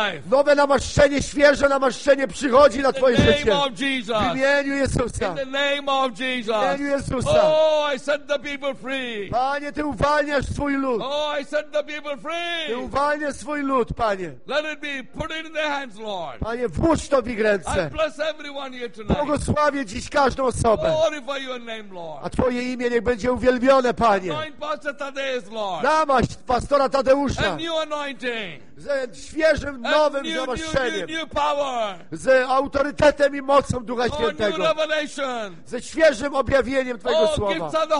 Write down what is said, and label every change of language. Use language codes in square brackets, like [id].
[pl] Nowe namaszczenie, świeże namaszczenie przychodzi na Twoje życie. W imieniu Jezusa. [en] In the name of Jesus. [pl] W imieniu Jezusa. [en] Oh, I set the people free. [pl] Panie, Ty uwalniasz swój lud. [en] Oh, I set the people free. [pl] Ty uwalniasz swój lud, Panie. [en] Let it be put in their hands, Lord. [pl] Panie, włóż to w ich ręce. [en] I bless everyone here tonight. [pl] Błogosławię dziś każdą osobę. [en] Glorify your name, Lord. [pl] A Twoje imię niech będzie uwielbione, Panie. [en] Anoint Pastor Tadeusz, Lord. [pl] Namaść pastora Tadeusza. [en] A new anointing. [pl] Ze świeżym, nowym namaszczeniem. [en] New power. [pl] Z autorytetem i mocą Ducha Świętego. Ze świeżym objawieniem Twojego Słowa.